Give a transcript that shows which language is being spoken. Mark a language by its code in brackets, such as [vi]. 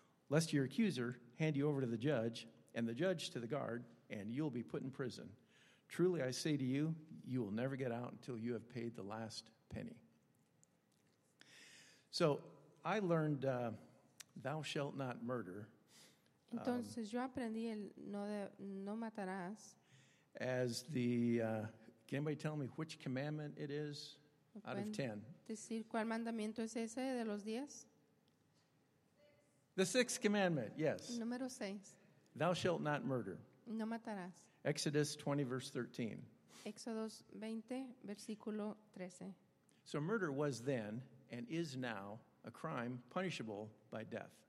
[en] lest your accuser hand you over to the judge, and the judge to the guard, and you'll be put in prison. Truly I say to you, you will never get out until you have paid the last penny. So I learned thou shalt not murder. [es] Entonces yo aprendí el no matarás. [en] As the, can anybody tell me which commandment it is out of 10? [es] Decir cuál mandamiento es ese de los 10? [en] The sixth commandment, yes. [es] Número 6. [en] Thou shalt not murder. [es] No matarás. [en] Exodus 20, verse 13. [es] Exodus 20, versículo 13. [en] So murder was then and is now a crime punishable by death.